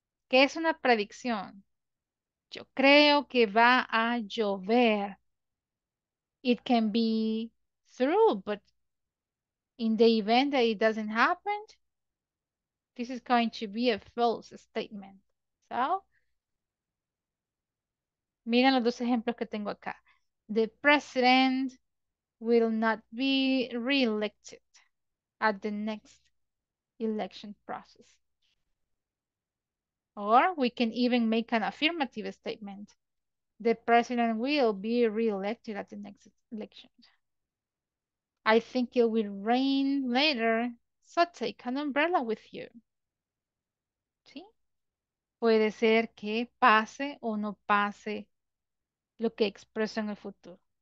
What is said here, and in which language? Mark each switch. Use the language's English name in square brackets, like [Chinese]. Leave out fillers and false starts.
[Spanish] ¿Qué es una predicción? Yo creo que va a llover. [English] It can be true, but in the event that it doesn't happen, this is going to be a false statement. [Spanish] So, miren los dos ejemplos que tengo acá. [English] The president will not be re-elected at the next election process. Or we can even make an affirmative statement. The president will be re-elected at the next election. I think it will rain later, so take an umbrella with you. [Spanish] ¿Sí? Puede ser que pase o no pase lo que expreso en el futuro.